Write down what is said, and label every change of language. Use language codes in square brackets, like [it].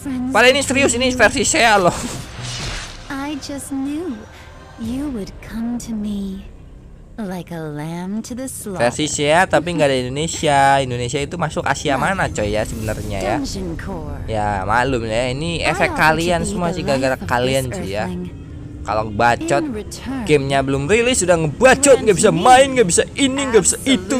[id] Padahal ini serius, ini versi saya loh. [en] I just knew you would come to me like a lamb to the slaughter. [id] Versi saya tapi enggak ada Indonesia. Indonesia itu masuk Asia mana coy ya sebenarnya ya. Ya, maklum ya ini efek kalian semua sih gara-gara kalian sih ya. Kalau bacot game-nya belum rilis sudah ngebacot, enggak bisa main, enggak bisa ini, enggak bisa itu.